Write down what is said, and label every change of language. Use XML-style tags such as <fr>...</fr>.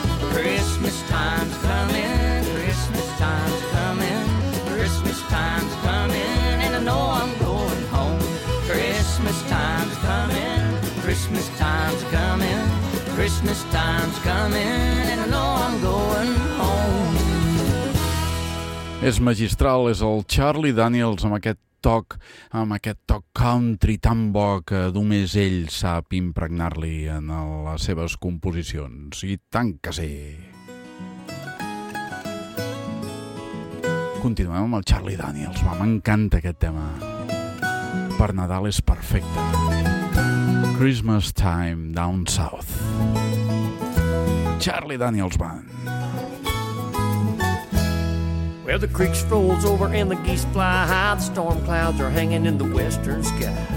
<en>Christmas time's coming, Christmas time's coming, Christmas time's coming, and I know I'm going home. Christmas time's coming, Christmas time's coming, Christmas time's coming, and I know I'm going home.</en> <ca>És magistral, és el Charlie Daniels amb aquest toc, amb aquest toc country tan bo que només ell sap impregnar-li en les seves composicions. I tant que sí. Continuem amb el Charlie Daniels. Va, m'encanta aquest tema. Per Nadal és perfecte.</ca> <en>Christmas time down south. Charlie Daniels Band. Well, the creek rolls over and the geese fly high. The storm clouds are hanging in the western sky.</en>